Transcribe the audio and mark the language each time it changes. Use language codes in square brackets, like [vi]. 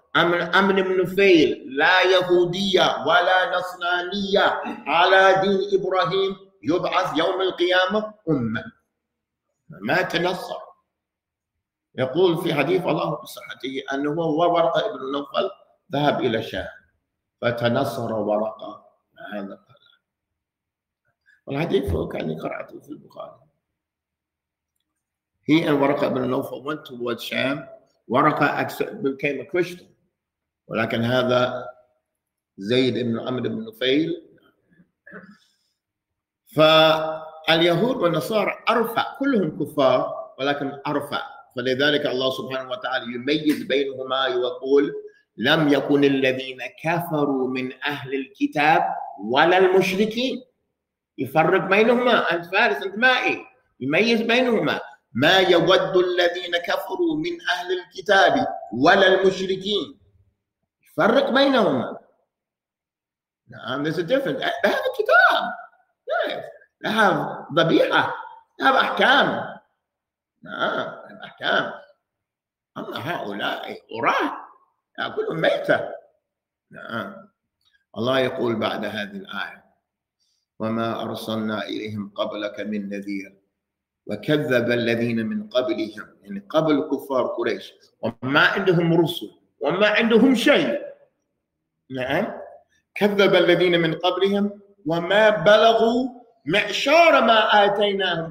[ar] أمن بن نفيل لا يهودية ولا نصرانية، على دين إبراهيم، يبعث يوم القيامة أمة. ما تنصر. يقول في حديث الله بصحته أنه ورقة بن نفيل ذهب إلى الشام فتنصر ورقة مع هذا الكلام. والحديث هو كان قرأته في البخاري. [en] He and Waraka ibn Nawfal went towards Sham. Waraka became a Christian. [ar] ولكن هذا زيد بن عمرو بن نفيل. فاليهود والنصارى أرفع، كلهم كفار ولكن أرفع. فلذلك الله سبحانه وتعالى يميز بينهما ويقول لم يكن الذين كفروا من أهل الكتاب ولا المشركين. يفرق بينهما. أنت فارس، أنت مائي. يميز بينهما. ما يود الذين كفروا من أهل الكتاب ولا المشركين. فرق بينهما. [en] نعم، there's a difference. They have a kitab. Yes. They have ذبيحة. They have أحكام. [ar] نعم، [en] they have [ar] أحكام. أما هؤلاء أراه. كلهم ميتة. نعم. الله يقول بعد هذه الآية: وما أرسلنا إليهم قبلك من نذير وكذب الذين من قبلهم، يعني قبل كفار قريش، وما عندهم رسل وما عندهم شيء، نعم، كذب الذين من قبلهم وما بلغوا معشار ما آتيناهم.